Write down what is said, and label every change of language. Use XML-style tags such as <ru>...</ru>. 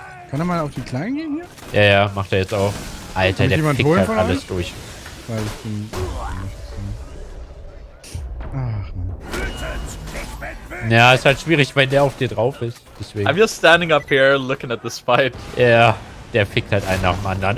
<de>Kann er mal auf die Kleinen gehen hier? Ja, ja, macht er jetzt auch. Alter, der fickt halt alles durch. Weil ich bin... Ach, Mann. Ja, ist halt schwierig, weil der auf dir drauf ist. Deswegen.</de> <en>I'm just standing up here, looking at this fight.</en> <de>Ja, yeah, der fickt halt einen nach dem anderen.</de>